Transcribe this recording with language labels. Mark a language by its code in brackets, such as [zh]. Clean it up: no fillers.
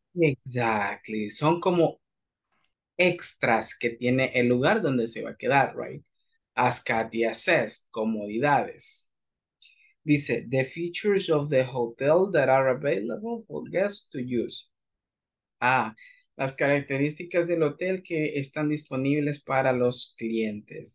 [en] Exactly, [es] son como extras que tiene el lugar donde se va a quedar, [en] right? As Katia says, comodidades. [es] Dice, [en] the features of the hotel that are available for guests to use. [es] Las características del hotel que están disponibles para los clientes.